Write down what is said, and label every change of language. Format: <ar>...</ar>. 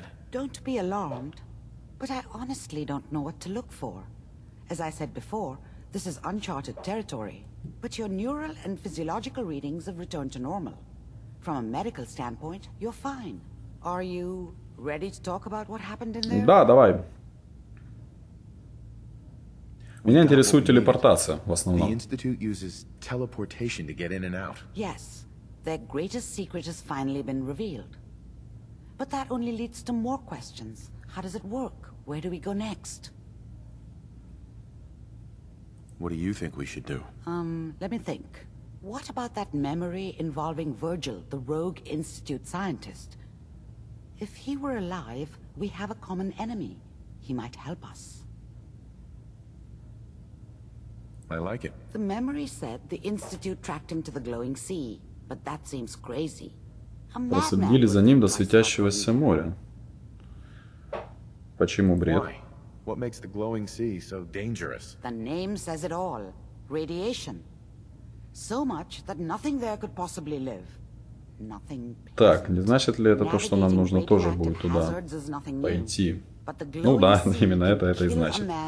<en>Don't be alarmed, but I honestly don't know what to look for. As I said before, this is uncharted territory. But your neural and physiological readings have returned to normal. From a medical standpoint, you're fine. Are you ready to talk about what happened in there?</en> <ru>Да, давай. Меня интересует телепортация в основном.</ru> <en>The Institute uses teleportation to get in and out. Yes. Their greatest secret has finally been revealed. But that only leads to more questions. How does it work? Where do we go next? What do you think we should do? Let me think. What about that memory involving Virgil, the rogue Institute scientist? If he were alive, we have a common enemy. He might help us. I like it. The memory said the Institute tracked him to the glowing sea. But that seems crazy.</en> <ru>Проследили за ним до светящегося моря. Почему бред?</ru> <en>What makes the glowing sea so dangerous? The name says it all. Radiation. So much that nothing there could possibly live. Nothing.</en> <ru>Так, не значит ли это то, что нам нужно тоже будет туда пойти? Ну да, именно это и значит.</ru>